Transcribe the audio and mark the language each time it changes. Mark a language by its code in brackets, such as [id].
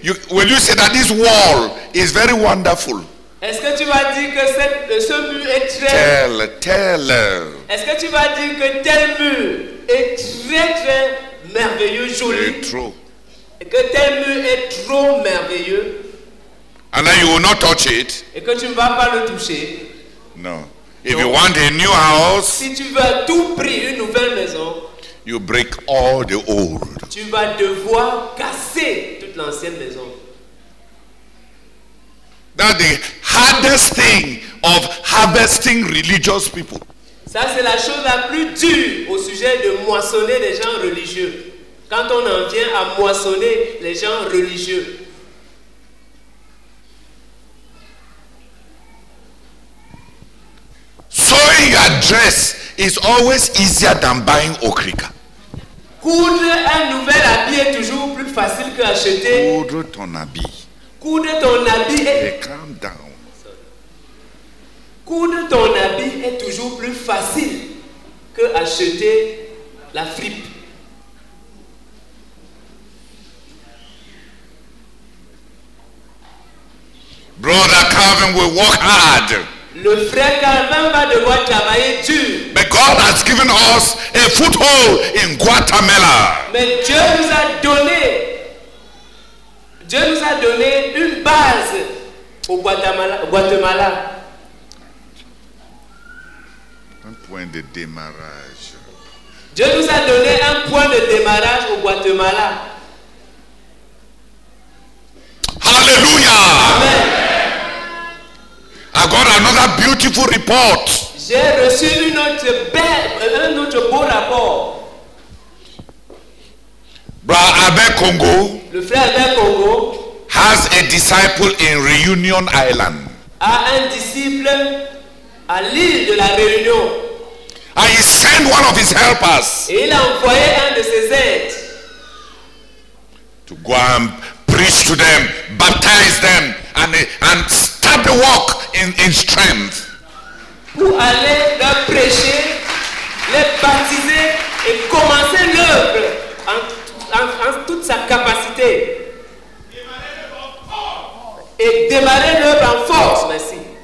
[en] will you say that this wall is very wonderful? [fr] Est-ce que tu vas dire que ce mur est très... Tel. Est-ce que tu vas dire que tel mur est très, très merveilleux, joli? C'est trop. Et que tel mur est trop merveilleux? [en] And then you will not touch it. [fr] Et que tu ne vas pas le toucher? Non. [en] If you want a new house, [fr] si tu veux à tout prix une nouvelle maison, [en] you break all the old. [fr] Tu vas devoir casser tout l'ancienne maison. [en] That the hardest thing of harvesting religious people. [fr] Ça c'est la chose la plus dure au sujet de moissonner les gens religieux. Quand on en vient à moissonner les gens religieux. [en] Sewing a dress is always easier than buying okrika. [fr] Coudre un nouvel habit est toujours plus facile que acheter. Coudre ton habit. Coudre ton habit est. [en] Hey, calm down. [fr] Coudre ton habit est toujours plus facile que acheter la fripe. [en] Brother Calvin will work hard. [fr] Le frère Calvin va devoir travailler dur. [en] But God has given us a foothold in Guatemala. [fr] Mais Dieu nous a donné une base au Guatemala. Un point de démarrage. Dieu nous a donné un point de démarrage au Guatemala. Alléluia. Amen. [en] I got another beautiful report. [fr] J'ai reçu un autre beau rapport. [en] Brother Abel Congo. [fr] Le frère Abel Congo [en] has a disciple in Reunion Island. [fr] A un disciple à l'île de la Réunion. [en] And he sent one of his helpers. [fr] Et il a envoyé un de ses aides. [en] To go and preach to them, baptize them, and start the work. In strength. [fr] Pour aller leur prêcher, les baptiser et commencer l'œuvre en toute sa capacité. Et démarrer l'œuvre en force, merci.